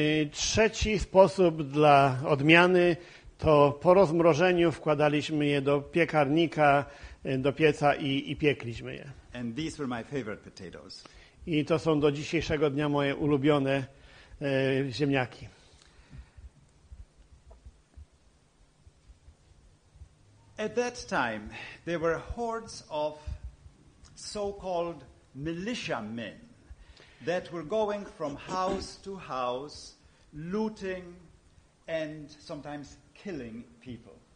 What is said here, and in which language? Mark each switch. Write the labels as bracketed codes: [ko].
[pl] Trzeci sposób dla odmiany to po rozmrożeniu wkładaliśmy je do piekarnika, do pieca i piekliśmy je. [en] And these were my favorite potatoes. [pl] I to są do dzisiejszego dnia moje ulubione ziemniaki. [en] At that time there were hordes of so-called militiamen that were going from house to house looting and sometimes killing people.